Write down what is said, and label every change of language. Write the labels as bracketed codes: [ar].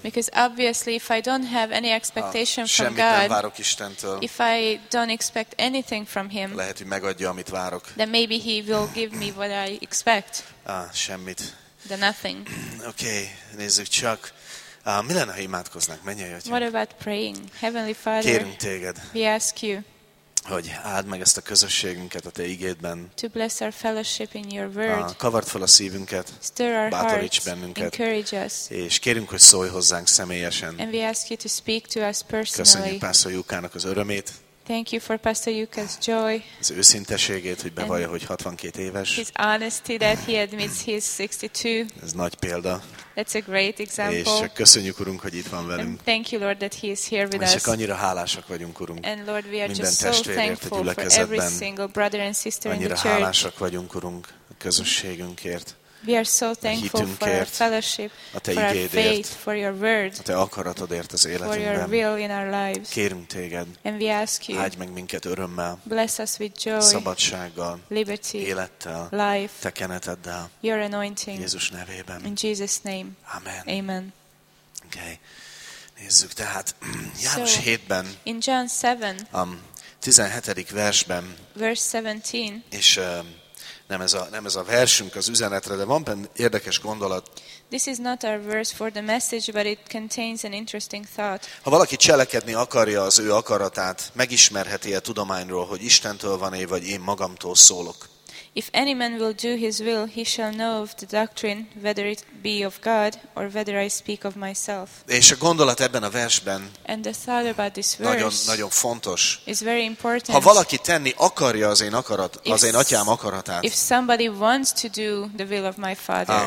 [en] Because obviously if I don't have any expectation from God. [hu] Semmit nem várok Istentől. [en] If I don't expect anything from him. [hu] Lehet, hogy megadja, amit várok. [en] Then maybe he will give me what I expect. [hu] Semmit. [en] The nothing. [hu] Okay, nézzük csak. Mi lenne, ha imádkoznak? Menjél, Atyám. [en] What about praying? Heavenly Father. [hu] Kérünk téged. [en] We ask you. [hu] Hogy áld meg ezt a közösségünket a te igédben. [en] To bless our fellowship in your word. [hu] Kavard fel a szívünket. [en] Stir our [hu] bátoríts [en] hearts, [hu] bennünket. [en] Encourage us. [hu] És kérünk, hogy szólj hozzánk személyesen. [en] And we ask you to speak to us personally. [hu] Köszönjük Pásztor Jukának az örömét. [en] Thank you for Pastor Yuka's joy. [hu] Az őszinteségét, hogy bevallja, hogy 62 éves. [en] His honesty that he admits he is 62. [hu] Ez nagy példa. [en] That's a great example. [hu] És csak köszönjük, Urunk, hogy itt van velünk. [en] And thank you, Lord, that he is here with us. [hu] És csak annyira hálásak vagyunk, Urunk. [en] And Lord, we are just so thankful for every single brother and sister in the church. [hu] Annyira hálásak vagyunk, Urunk, a közösségünkért. [en] We are so thankful for our fellowship, for our faith, for your word, [hu] a te akaratodért az életünkben, [en] for your will in our lives. [hu] Kérünk téged, [en] and we ask you, [hu] áldj meg minket örömmel, [en] bless us with joy, [hu] szabadsággal, [en] liberty, [hu] élettel, [en] life, [hu] te keneteddel, [en] your anointing, [hu] Jézus nevében. [en] In Jesus' name. Amen. Amen. [hu] Okay. Nézzük tehát János 7-ben. [en] In John 7. [hu] 17. versben. [en] Verse 17. [hu] És nem ez a versünk az üzenetre, de van benne érdekes gondolat. [en] This is not our verse for the message, but it contains an interesting thought. [hu] Ha valaki cselekedni akarja az ő akaratát, megismerheti-e tudományról, hogy Istentől van-e, vagy én magamtól szólok? [en] If any man will do his will, he shall know of the doctrine, whether it be of God, or whether I speak of myself. [hu] És a gondolat ebben a versben nagyon fontos. [en] Is very important. [hu] Ha valaki tenni akarja az én atyám akaratát, [en] if somebody wants to do the will of my father,